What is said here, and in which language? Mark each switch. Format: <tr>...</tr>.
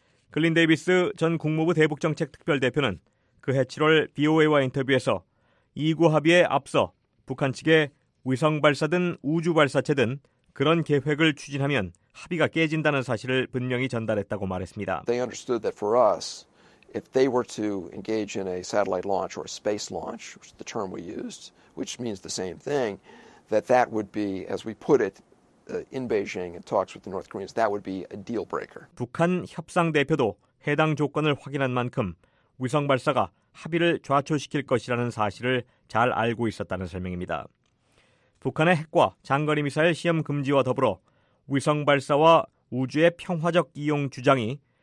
<ko>글린 데이비스 전 국무부 대북정책특별대표는 그해 7월 BOA와 인터뷰에서 2.29 합의에 앞서 북한 측에 위성 발사든 우주 발사체든 그런 계획을 추진하면 합의가 깨진다는 사실을 분명히 전달했다고 말했습니다.</ko> <en>They understood that for us, if they were to engage in a satellite launch or a space launch, which is the term we used, which means the same thing, that that would be, as we put it, in Beijing and talks with the North Koreans, that would be a deal breaker.</en> <ko>북한 협상 대표도 해당 조건을 확인한 만큼 위성 발사가 합의를 좌초시킬 것이라는 사실을 잘 알고 있었다는 설명입니다. 북한의 핵과 장거리 미사일 시험 금지와 더불어 위성 발사와 우주의 평화적 이용 주장이</ko>